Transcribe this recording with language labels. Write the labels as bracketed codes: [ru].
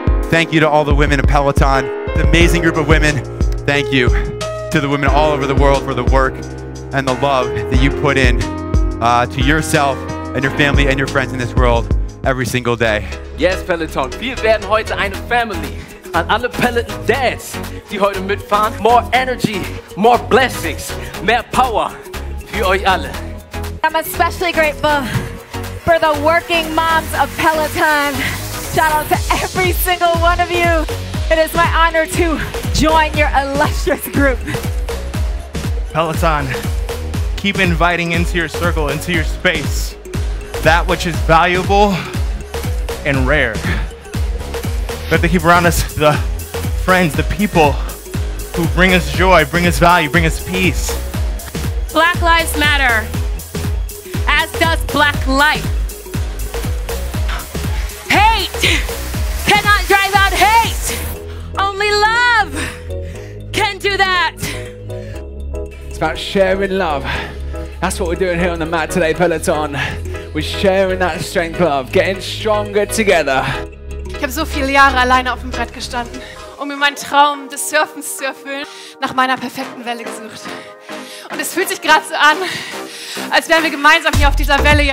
[en] Thank you to all the women of Peloton, the amazing group of women. Thank you to the women all over the world for the work and the love that you put in to yourself and your family and your friends in this world every single day. [de] Yes, Peloton, wir werden heute eine Family. An alle Peloton Dads, die heute mitfahren, [en] more energy, more blessings, [de] mehr Power für euch alle. [en] I'm especially grateful for the working moms of Peloton. Shout out to every single one of you. It is my honor to join your illustrious group. Peloton, keep inviting into your circle, into your space, that which is valuable and rare. But they keep around us the friends, the people who bring us joy, bring us value, bring us peace. Black Lives Matter, as does Black Life. Hate cannot drive out hate. Only love can do that. It's about sharing love. That's what we're doing here on the mat today, Peloton. We're sharing that strength, love, getting stronger together. [de] Ich habe so viele Jahre alleine auf dem Brett gestanden, um mir meinen Traum des Surfens zu erfüllen, nach meiner perfekten Welle gesucht. Und es fühlt sich gerade so an, als wären wir gemeinsam hier auf dieser Welle.